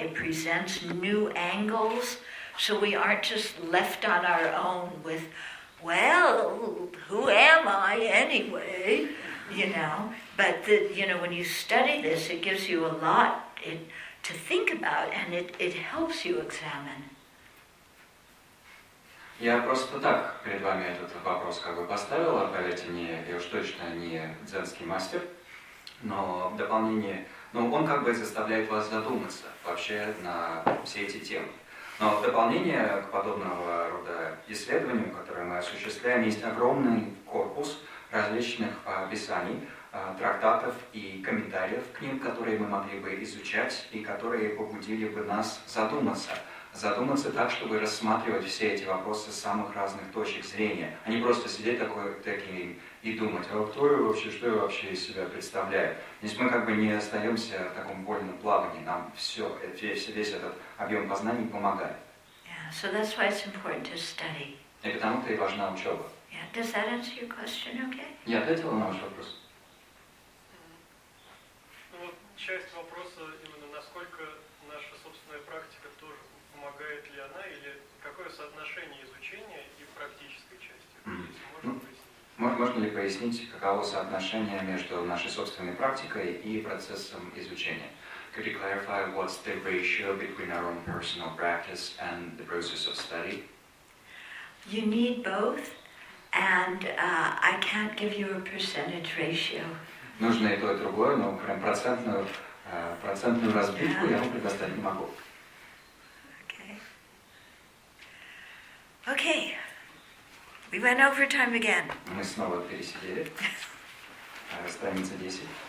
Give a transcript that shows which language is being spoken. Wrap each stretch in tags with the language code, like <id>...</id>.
<en>It presents new angles. So we aren't just left on our own with, well, who am I anyway? You know, but the, you know, when you study this, it gives you a lot to think about, and it helps you examine.</en> <ru>Я просто так перед вами этот вопрос как бы поставила, поверьте мне, я уж точно не дзенский мастер, но в дополнение, ну он как бы заставляет вас задуматься вообще на все эти темы. Но в дополнение к подобного рода исследованию, которое мы осуществляем, есть огромный корпус различных писаний, трактатов и комментариев к ним, которые мы могли бы изучать и которые побудили бы нас задуматься. Задуматься так, чтобы рассматривать все эти вопросы с самых разных точек зрения, а не просто сидеть такими и думать, а кто я вообще, что я вообще из себя представляю. То есть мы как бы не остаемся в таком вольном плавании, нам все, весь этот объем познаний помогает.</ru> <en>Yeah, so that's why it's important to study.</en> <ru>И потому-то и важна учеба.</ru> <en>Yeah, does that answer your question okay?</en> <ru>Я ответила на ваш вопрос. Ну вот часть вопроса именно, насколько наша собственная практика тоже помогает ли она, или какое соотношение изучения и практической части? Можно ли пояснить, каково соотношение между нашей собственной практикой и процессом изучения?</ru> <en>Could you clarify what's the ratio between our own personal practice and the process of study? You need both. And I can't give you a percentage ratio.</en> <ru>Нужно и то, и другое, но прям процентную разбивку я вам предоставить не могу.</ru> <en>Okay. Okay. We went over time again.</en> <ru>Мы снова пересидели. Страница 10.</ru>